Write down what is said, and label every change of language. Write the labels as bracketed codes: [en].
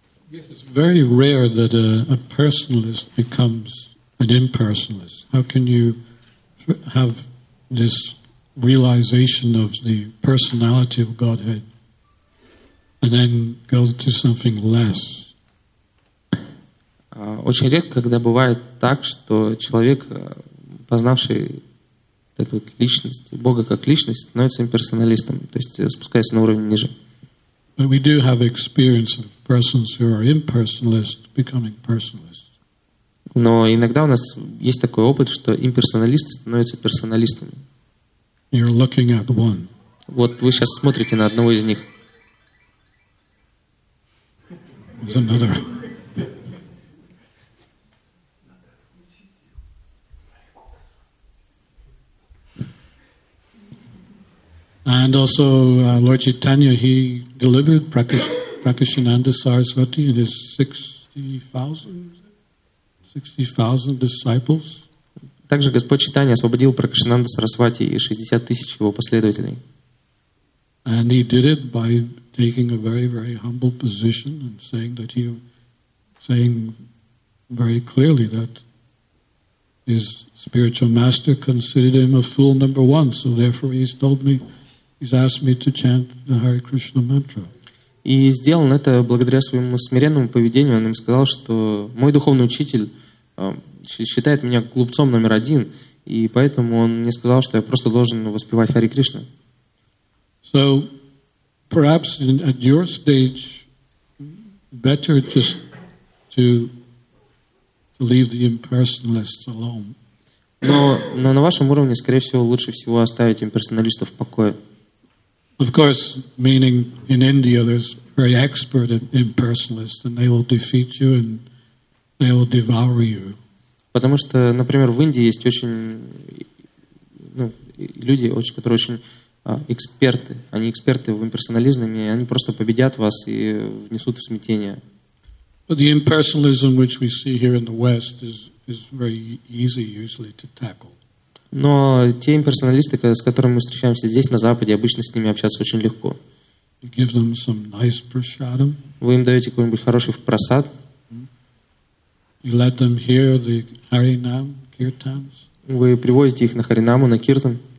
[en] Yes, it's very rare that a personalist becomes an impersonalist. How can you have this realization of the personality of Godhead and then go to something less? [ru] Очень редко, когда бывает так, что человек, познавший эту вот личность, Бога как личность, становится имперсоналистом, то есть спускается на уровень ниже. [en] But we do have experience of persons who are impersonalists becoming personalists. [ru] Но иногда у нас есть такой опыт, что имперсоналисты становятся персоналистами. [en] You're looking at one. [ru] Вот вы сейчас смотрите на одного из них. [en] There's another. And also, Lord Chaitanya, he delivered Prakashananda Saraswati and his 60,000 disciples. [ru] Также Господь Чайтанья освободил Пракашинанда Сарасвати и 60 тысяч его последователей. [en] And he did it by taking a very, very humble position and saying that he, saying very clearly that his spiritual master considered him a fool number one, so therefore he's told me, he's asked me to chant the Hare Krishna mantra. [ru] И сделан это благодаря своему смиренному поведению. Он им сказал, что мой духовный учитель считает меня глупцом номер один, и поэтому он мне сказал, что я просто должен воспевать Хари Кришну. [en] So, perhaps in, at your stage, better just to leave the impersonalists alone. [ru] Но на вашем уровне, скорее всего, лучше всего оставить имперсоналистов в покое. [en] Of course, meaning in India, there's very expert at impersonalists, and they will defeat you and they will devour you. [ru] Потому что, например, в Индии есть очень ну, люди, очень, которые очень эксперты. Они эксперты в имперсонализме, они просто победят вас и внесут в смятение. [en] But the impersonalism, which we see here in the West, is very easy usually to tackle. [ru] Но те имперсоналисты, с которыми мы встречаемся здесь, на Западе, обычно с ними общаться очень легко. [en] Give them some nice prasadam. [ru] Вы им даете какой-нибудь хороший прасад. [en] You let them hear the Харинам, киртанс. [ru] Вы привозите их на Харинаму, на киртан.